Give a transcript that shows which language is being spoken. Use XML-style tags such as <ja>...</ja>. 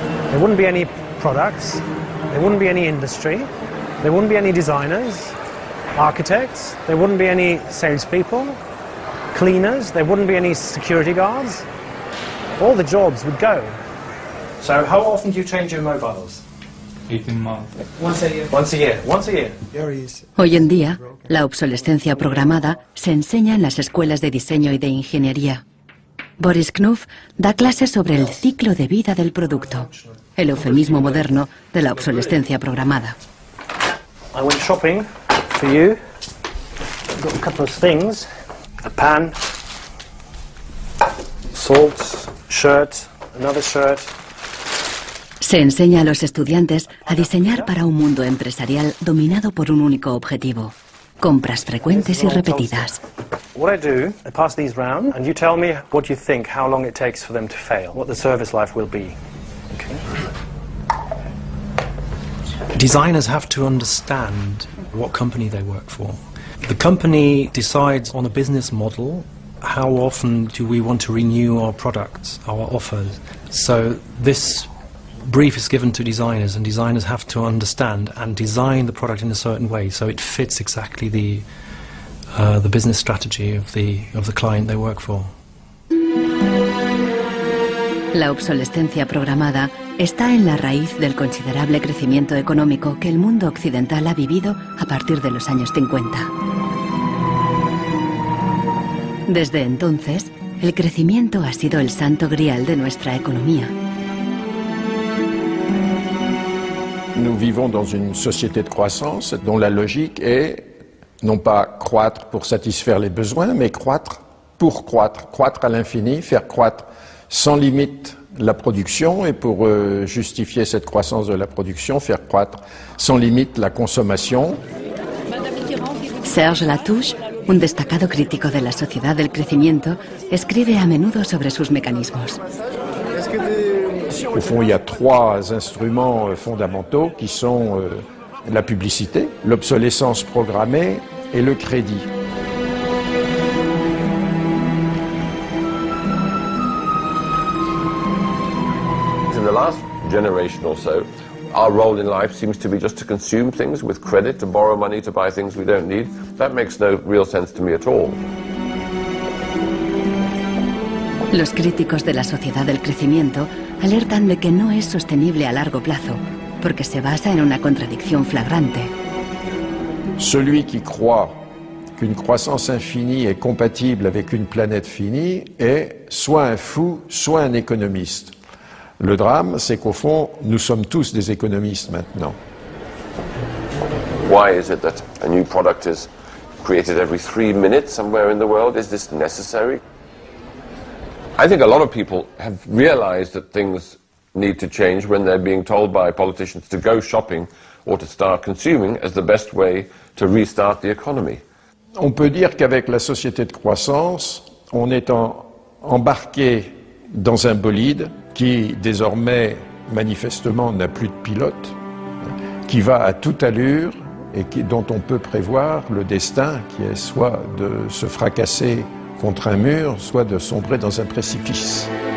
<en>There wouldn't be any products, there wouldn't be any industry, there wouldn't be any designers, architects, there wouldn't be any salespeople, cleaners, there wouldn't be any security guards. All the jobs would go. So how often do you change your mobiles? 18 months. Once a year.</en> <es>Hoy en día, la obsolescencia programada se enseña en las escuelas de diseño y de ingeniería. Boris Knuth da clases sobre el ciclo de vida del producto, el eufemismo moderno de la obsolescencia programada.</es> <en>I went shopping for you. I've got a couple of things. A pan, salt, shirt, another shirt.</en> <es>Se enseña a los estudiantes a diseñar para un mundo empresarial dominado por un único objetivo: compras frecuentes y repetidas.</es> <en>What I do, I pass these round, and you tell me what you think, how long it takes for them to fail, what the service life will be. Okay. Designers have to understand what company they work for. The company decides on a business model. How often do we want to renew our products, our offers? So this brief is given to designers, and designers have to understand and design the product in a certain way so it fits exactly the business strategy of the client they work for.</en> <es>La obsolescencia programada está en la raíz del considerable crecimiento económico que el mundo occidental ha vivido a partir de los años 50. Desde entonces, el crecimiento ha sido el santo grial de nuestra economía.</es> <fr>Nous vivons dans une société de croissance dont la logique est non pas croître pour satisfaire les besoins, mais croître pour croître, croître à l'infini, faire croître sans limite la production et pour justifier cette croissance de la production, faire croître sans limite la consommation.</fr> <es>Serge Latouche, un destacado crítico de la sociedad del crecimiento, escribe a menudo sobre sus mécanismes.</es> <fr>Au fond, il y a trois instruments fondamentaux qui sont la publicité, l'obsolescence programmée et le crédit.</fr> <en>In the last generation or so, our role in life seems to be just to consume things with credit, to borrow money to buy things we don't need. That makes no real sense to me at all.</en> <es>Los críticos de la sociedad del crecimiento alertan de que no es sostenible a largo plazo, porque se basa en una contradicción flagrante.</es> <fr>Celui qui croit qu'une croissance infinie est compatible avec une planète finie est soit un fou, soit un économiste. Le drame, c'est qu'au fond, nous sommes tous des économistes maintenant.</fr> <en>Why is it that a new product is created every 3 minutes somewhere in the world? Is this necessary? I think a lot of people have realized that things need to change when they're being told by politicians to go shopping or to start consuming as the best way to restart the economy.</en> <fr>On peut dire qu'avec la société de croissance, on est embarqué dans un bolide qui désormais manifestement n'a plus de pilote, qui va à toute allure et dont on peut prévoir le destin, qui est soit de se fracasser contre un mur, soit de sombrer dans un précipice.</fr>